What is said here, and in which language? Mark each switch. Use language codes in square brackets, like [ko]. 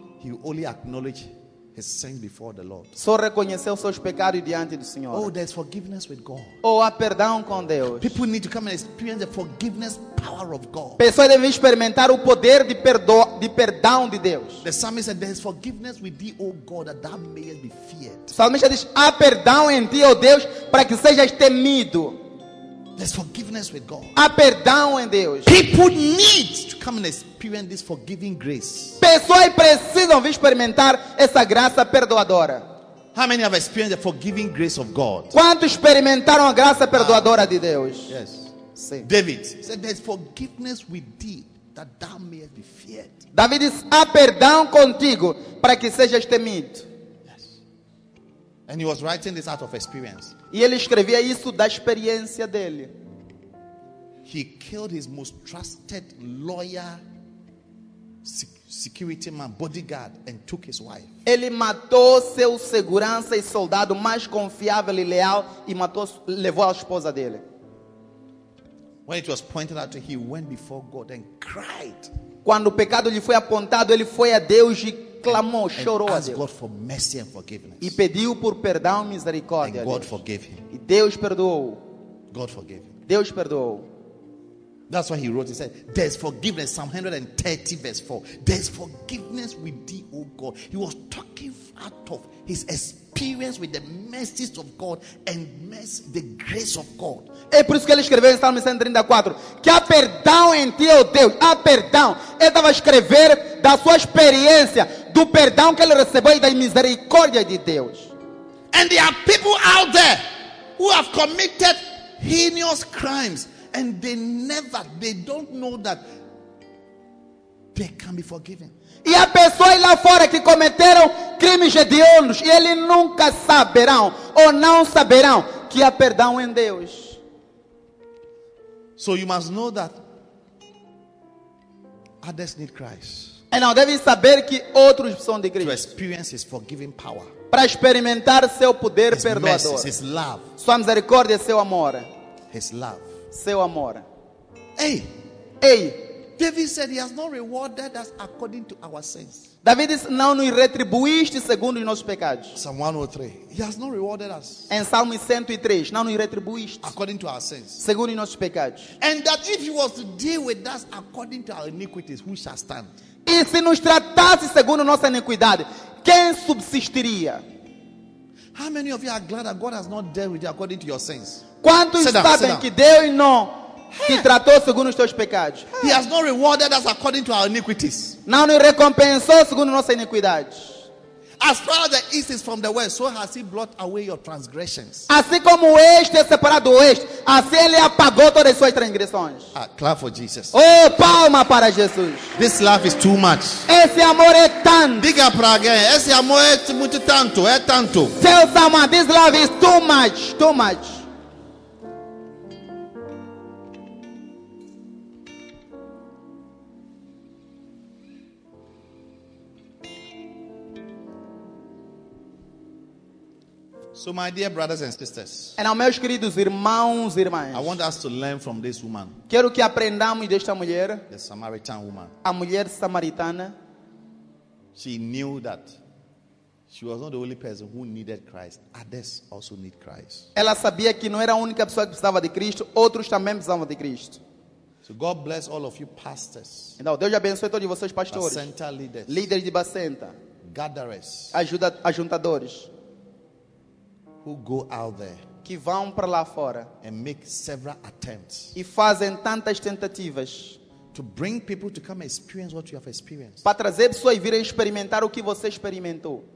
[en] He only acknowledged his sins before the Lord. [pt] Só reconheceu seus pecados diante do Senhor. [en] Oh, there's forgiveness with God. [pt] Oh, há perdão com Deus. [en] People need to come and experience the forgiveness power of God. [pt] Pessoas devem experimentar o poder de perdão de Deus. [en] The psalmist said, "There's forgiveness with thee, O God, that thou mayest be feared." [pt] O salmista diz, há perdão em ti, ó Deus, para que sejas temido. [en] There's forgiveness with God. [pt] Há perdão em Deus. [en] People need to come and experience this forgiving grace. [pt] Pessoas precisam vir experimentar essa graça perdoadora. [en] How many have experienced the forgiving grace of God? [pt] Quantos experimentaram a graça perdoadora de Deus? [en] Yes. [pt] Sim. [en] David said, "There's forgiveness with thee that thou mayest be feared." [pt] David diz, há perdão contigo para que sejas temido. [en] And he was writing this out of experience. [pt] E ele escrevia isso da experiência dele. [en] He killed his most trusted lawyer, security man, bodyguard, and took his wife. [pt] Ele matou seu segurança e soldado mais confiável e leal e levou a esposa dele. [en] When it was pointed out to him, he went before God and cried. [pt] Quando o pecado lhe foi apontado, ele foi a Deus e clamou, chorou a Deus. [en] God for mercy and forgiveness. [pt] E pediu por perdão e misericórdia. [en] And God forgave him. [pt] E Deus perdoou. [en] God forgave him. [pt] Deus perdoou. [en] That's why he wrote, he said, "There's forgiveness." Psalm 130 verse 4. "There's forgiveness with thee, O God." He was talking out of his experience with the mercies of God and mercy, the grace of God. [pt] É por isso que ele escreveu em Salmo 134, que há perdão em ti, ó Deus, há perdão. Ele estava a escrever da sua experiência, do perdão que ele recebeu e da misericórdia de Deus. [en] And there are people out there who have committed heinous crimes. And they don't know that they can be forgiven. [pt] E há pessoas lá fora que cometeram crimes hediondos e eles nunca saberão ou não saberão que há perdão em Deus. [en] So you must know that others need Christ. [pt] E não devem saber que outros precisam de Cristo. [en] To experience His forgiving power. [pt] Para experimentar seu poder [en] His [pt] perdoador. [en] Mercy, His love. [pt] Sua misericórdia, seu amor. [en] His love. [pt] Seu amor. Hey. Hey. [en] David said he has not rewarded us according to our sins. [pt] David disse, não nos retribuíste segundo os nossos pecados. [en] Psalm 103. He has not rewarded us. [pt] Em Salmo 103, não nos retribuíste [en] according to our sins. [pt] Segundo os nossos pecados. [en] And that if he was to deal with us according to our iniquities, who shall stand? [pt] E se nos tratasse segundo nossa iniquidade, quem subsistiria? [en] How many of you are glad that God has not dealt with you according to your sins? [pt] Quantos sabem que Deus não te tratou segundo os teus pecados? [en] He has not rewarded us according to our iniquities. [pt] Não nos recompensou segundo nossa iniquidade. [en] As far as the east is from the west, so has he blotted away your transgressions. [pt] Assim como o este é separado do oeste, assim ele apagou todas as suas transgressões. [en] Clap for Jesus. [pt] Oh, palma para Jesus. [en] This love is too much. [pt] Esse amor é tanto. Diga para alguém, esse amor é muito tanto, é tanto. [en] Tell someone, this love is too much, too much. So my dear brothers and sisters, and now, [pt] meus queridos irmãos e irmãs, [en] I want us to learn from this woman. [pt] Quero que aprendamos desta mulher, [en] the Samaritan woman. [pt] A mulher samaritana. [en] She knew that she was not the only person who needed Christ. Others also need Christ. [pt] Ela sabia que não era a única pessoa que precisava de Cristo, outros também precisavam de Cristo. [en] So God bless all of you pastors. [pt] Então Deus abençoe todos vocês pastores. [en] Bacenta leaders. [pt] Líderes de Bacenta. [en] Gatherers. [pt] Ajuntadores. [en] Who go out there? [pt] Que vão para lá fora. [en] And make several attempts. [pt] E fazem tantas tentativas. [en] To bring people to come experience what you have experienced. [pt] Para trazer pessoas virem experimentar o que você experimentou.